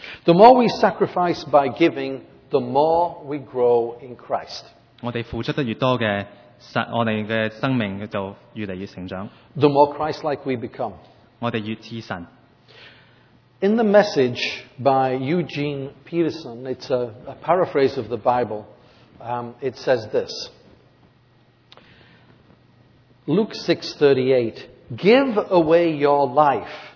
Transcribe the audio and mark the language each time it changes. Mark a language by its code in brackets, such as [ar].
[en] The more we sacrifice by giving, the more we grow in Christ. [yue] 我哋付出得越多嘅，我哋嘅生命就越嚟越成长。 [en] The more Christ-like we become. [yue] 我哋越似神。 [en] In the message by Eugene Peterson, it's a paraphrase of the Bible. It says this. Luke 6:38, give away your life.